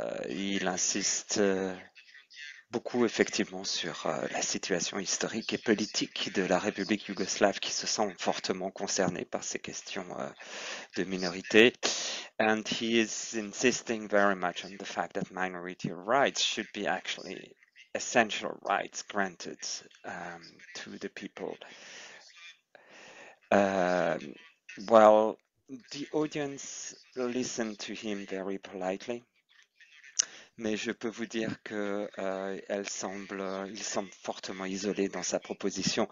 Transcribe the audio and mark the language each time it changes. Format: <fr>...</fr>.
<fr>Il insiste beaucoup effectivement sur la situation historique et politique de la République yougoslave qui se sent fortement concernée par ces questions de minorité.</fr> <en>And he is insisting very much on the fact that minority rights should be actually essential rights granted to the people. Well, the audience listened to him very politely.</en> <fr>Mais je peux vous dire que il semble fortement isolé dans sa proposition.</fr>